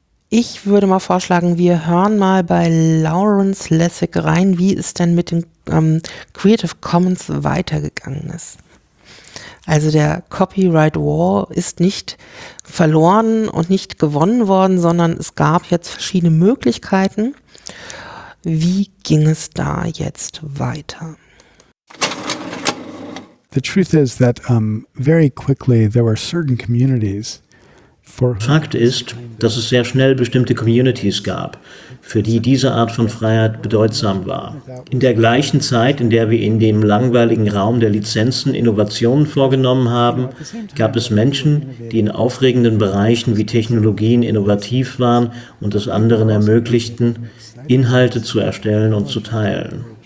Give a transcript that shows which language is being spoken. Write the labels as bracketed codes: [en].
[de] Ich würde mal vorschlagen, wir hören mal bei Lawrence Lessig rein, wie es denn mit den Creative Commons weitergegangen ist. Also der Copyright War ist nicht verloren und nicht gewonnen worden, sondern es gab jetzt verschiedene Möglichkeiten. Wie ging es da jetzt weiter? [en] The truth is that very quickly there were certain communities. [de] Fakt ist, dass es sehr schnell bestimmte Communities gab, für die diese Art von Freiheit bedeutsam war. In der gleichen Zeit, in der wir in dem langweiligen Raum der Lizenzen Innovationen vorgenommen haben, gab es Menschen, die in aufregenden Bereichen wie Technologien innovativ waren und es anderen ermöglichten, Inhalte zu erstellen und zu teilen.